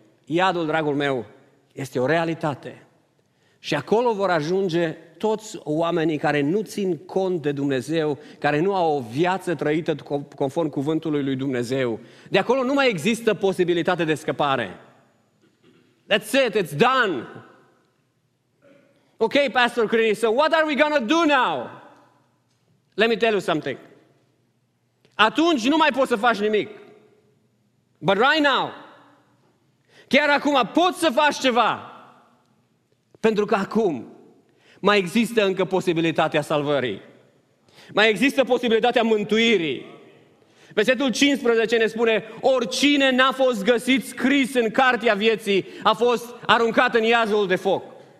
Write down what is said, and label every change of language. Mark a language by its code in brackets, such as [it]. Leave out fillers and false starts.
[ro] Iadul, dragul meu, este o realitate și acolo vor ajunge toți oamenii care nu țin cont de Dumnezeu, care nu au o viață trăită conform cuvântului lui Dumnezeu. De acolo nu mai există posibilitate de scăpare. [en] That's it, it's done. Okay, Pastor Crini, so what are we gonna do now? Let me tell you something. [ro] Atunci nu mai poți să faci nimic. [en] But right now, [ro] chiar acum poți să faci ceva. Pentru că acum mai există încă posibilitatea salvării. Mai există posibilitatea mântuirii. Versetul 15 ne spune, oricine n-a fost găsit scris în cartea vieții, a fost aruncat în iazul de foc.